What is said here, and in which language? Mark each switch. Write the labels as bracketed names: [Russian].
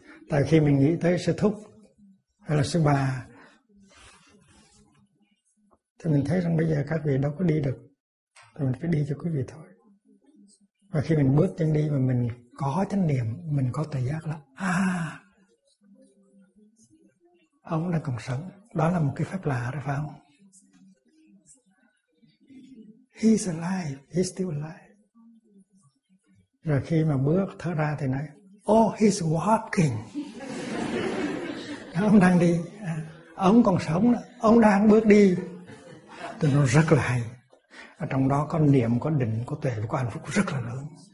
[Vietnamese] Tại khi mình nghĩ tới sư thúc hay là sư bà thì mình thấy rằng bây giờ các vị đâu có đi được rồi mình cứ đi cho quý vị thôi. Và khi mình bước chân đi mà mình có chánh niệm, mình có tự giác là à, ông đang còn sống. Đó là một cái phép lạ rồi, phải không? [English] He's alive, he's still alive. [Vietnamese] Rồi khi mà bước thở ra thì nói, [English] oh, he's walking. [Vietnamese] Ông đang đi, ông còn sống, ông đang bước đi. Tôi nói rất là hay. Ở trong đó có niệm, có định, có tuệ và có hạnh phúc rất là lớn.